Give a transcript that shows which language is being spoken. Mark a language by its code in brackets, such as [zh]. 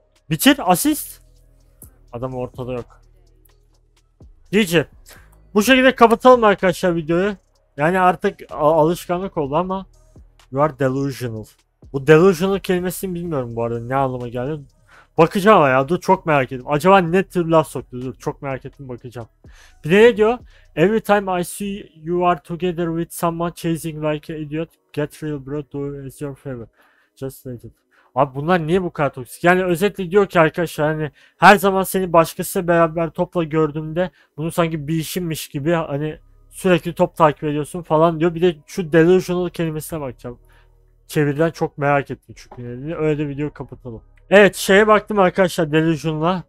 [tr] Bitir asist. Adam ortada yok. Gece. Bu şekilde kapatalım arkadaşlar videoyu. Yani artık alışkanlık oldu ama [en] you are delusional. [tr] Bu delusional kelimesini bilmiyorum bu arada ne anlama geldi. Bakacağım ya, dur çok merak ettim. Acaba ne tür laf soktu, dur çok merak ettim, bakacağım. Bir de ne diyor? [en] Every time I see you are together with someone chasing like an idiot, get real bro, do as your favor. Just let it. [tr] Abi bunlar niye bu kadar toksik? Yani özetle diyor ki arkadaşlar, hani her zaman seni başkasıyla beraber topla gördüğümde bunu sanki bir işinmiş gibi, hani sürekli top takip ediyorsun falan diyor. Bir de şu delusional kelimesine bakacağım. Çevirden çok merak ettim çünkü. Öyle de videoyu kapatalım. Evet, şeye baktım arkadaşlar, delusional'a.